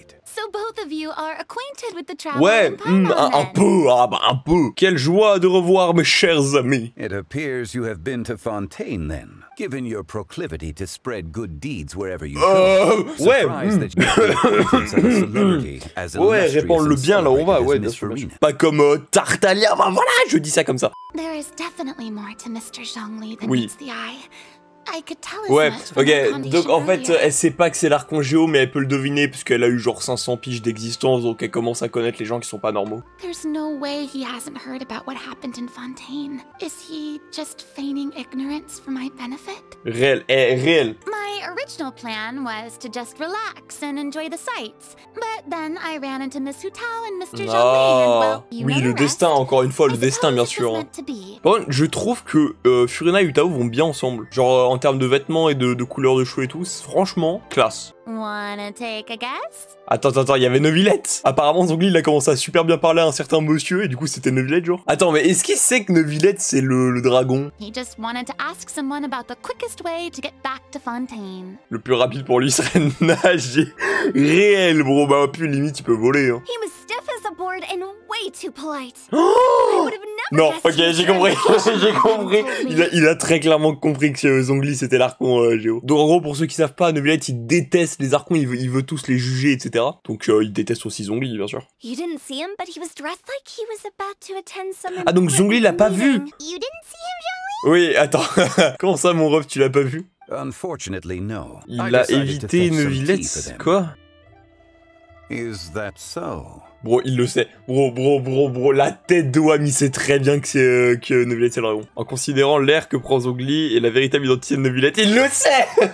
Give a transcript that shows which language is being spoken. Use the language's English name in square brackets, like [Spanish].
[English] So both of you are acquainted with the travel. [French] Ouais, un peu, ah bah un peu. Quelle joie de revoir mes chers amis. [English] It appears you have been to Fontaine then, given your proclivity to spread good deeds wherever you go. [French] Ouais. Ouais, ouais, réponds le bien là, on va, ouais, bien sûr. Pas comme Tartalia, bah voilà, je dis ça comme ça. [English] There is definitely more to Mr. Zhongli than [French] oui. [English] meets the eye. I could tell [French] ouais, ok, donc en fait, elle sait pas que c'est l'arc congéo, mais elle peut le deviner, puisqu'elle a eu genre 500 piges d'existence, donc elle commence à connaître les gens qui sont pas normaux. [English] There's no way he hasn't heard about what happened in Fontaine. Is he just feigning ignorance for my benefit? [French] Réel, réel. [English] My original plan was to just relax and enjoy the sights, but then I ran into Miss Hutao and Mr. Zhongli, and well, [French] oui, le destin, encore une fois, le destin, bien sûr. Hein. Bon, je trouve que Furina et Hutao vont bien ensemble, genre en termes de vêtements et de couleurs de cheveux et tout, franchement, classe. [English] Wanna take a guess? [French] Attends, il y avait Neuvillette. Apparemment, Zhongli, il a commencé à super bien parler à un certain monsieur, et du coup, c'était Neuvillette, genre. Attends, mais est-ce qu'il sait que Neuvillette, c'est le dragon? [English] He just wanted to ask someone about the quickest way to get back to Fontaine. [French] Le plus rapide pour lui serait de nager. Réel, bro, bah, plus limite, il peut voler, hein. [English] He was stiff as a board and way too polite. [French] Non, ok, j'ai compris. Il a très clairement compris que Zhongli, c'était l'archon géo. Donc, en gros, pour ceux qui savent pas, Neuvillette, il déteste les archons, il veut tous les juger, etc. Donc il déteste aussi Zhongli, bien sûr. [English] You didn't see him, but he was dressed like he was about to attend some. [French] Ah donc Zhongli l'a pas vu. [English] You didn't see him, Zhongli? [French] Oui, attends. Comment ça, mon ref, tu l'as pas vu? [English] Unfortunately, no. [French] Il a évité une villette. Quoi? [English] Is that so? [French] Bro, il le sait. Bro, la tête de Wami sait très bien que c'est que Neuvillette c'est le dragon. En considérant l'air que prend Zhongli et la véritable identité de Neuvillette, il le sait.